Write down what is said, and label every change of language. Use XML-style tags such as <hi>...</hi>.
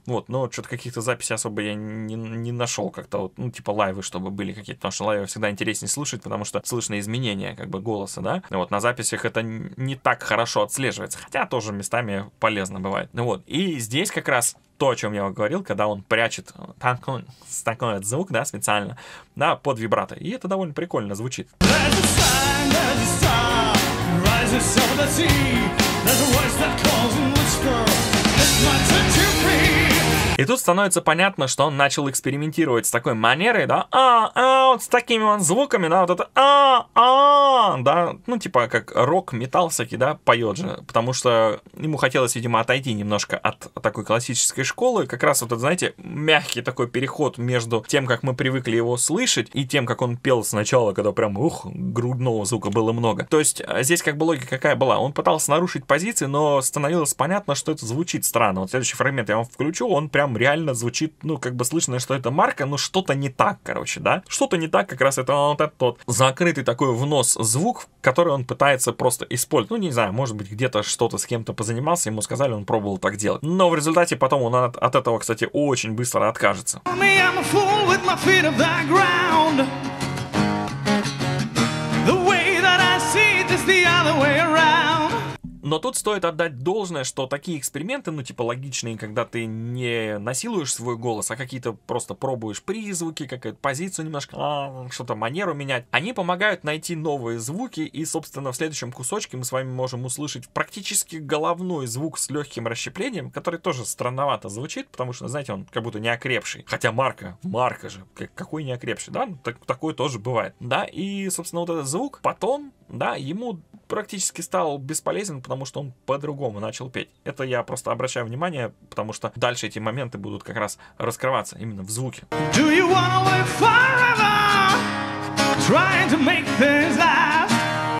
<ru>Вот, но что-то каких-то записей особо я не нашел как-то, вот, ну типа лайвы, чтобы были какие-то, потому что лайвы всегда интереснее слушать, потому что слышно изменения как бы голоса, да. Вот, на записи это не так хорошо отслеживается, хотя тоже местами полезно бывает. Ну вот, и здесь как раз то, о чем я говорил, когда он прячет такой вот звук, да, специально, да, под вибрато. И это довольно прикольно звучит.</ru> <en>There's a sign, there's a star, rises over the sea.</en> <ru>И тут становится понятно, что он начал экспериментировать с такой манерой, да, вот с такими вот звуками, да, вот это да, ну, типа, как рок-метал всякий, да, поет же, потому что ему хотелось, видимо, отойти немножко от такой классической школы, как раз вот этот, знаете, мягкий такой переход между тем, как мы привыкли его слышать, и тем, как он пел сначала, когда прям, ух, грудного звука было много. То есть, здесь как бы логика какая была, он пытался нарушить позиции, но становилось понятно, что это звучит странно. Вот следующий фрагмент я вам включу, он прям реально звучит, ну, как бы слышно, что это марка, но что-то не так, короче, да? Что-то не так, как раз это вот этот вот закрытый такой в нос звук, который он пытается просто использовать. Ну, не знаю, может быть, где-то что-то с кем-то позанимался, ему сказали, он пробовал так делать. Но в результате потом он от этого, кстати, очень быстро откажется.</ru> <en>I'm a fool with my feet on the ground. The way that I see it is the other way around.</en> <ru>Но тут стоит отдать должное, что такие эксперименты, ну, типа, логичные, когда ты не насилуешь свой голос, а какие-то просто пробуешь призвуки, какую-то позицию немножко, что-то манеру менять, они помогают найти новые звуки, и, собственно, в следующем кусочке мы с вами можем услышать практически головной звук с легким расщеплением, который тоже странновато звучит, потому что, знаете, он как будто неокрепший. Хотя марка же, какой неокрепший, да? Такое тоже бывает, да? И, собственно, вот этот звук потом, да, ему практически стал бесполезен, потому что он по-другому начал петь. Это я просто обращаю внимание, потому что дальше эти моменты будут как раз раскрываться именно в звуке.</ru> <en>Do you wanna live forever, trying to make things last?</en>